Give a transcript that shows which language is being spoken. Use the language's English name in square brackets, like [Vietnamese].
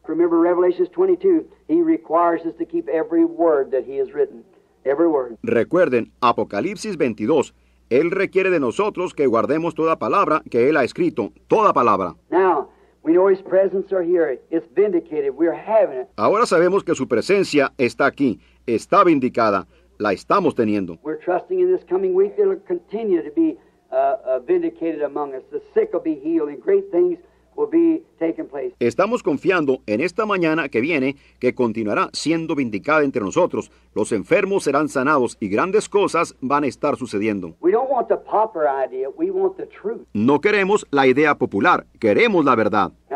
[English] Remember Revelation 22, he requires us to keep every word that he has written. Every word. [Spanish] Recuerden, Apocalipsis 22, él requiere de nosotros que guardemos toda palabra que él ha escrito, toda palabra. [English] Now, we know his presence are here. It's vindicated. We're having it. [Spanish] Ahora sabemos que su presencia está aquí, está vindicada, la estamos teniendo. [English] We're trusting in this coming week it'll continue to be vindicated among us. The sick will be healed and great things will be taking place. [Spanish] Estamos confiando en esta mañana que viene que continuará siendo vindicada entre nosotros. Los enfermos serán sanados y grandes cosas van a estar sucediendo. [English] We don't want the popular idea, we want the truth. [Spanish] No queremos la idea popular, queremos la verdad.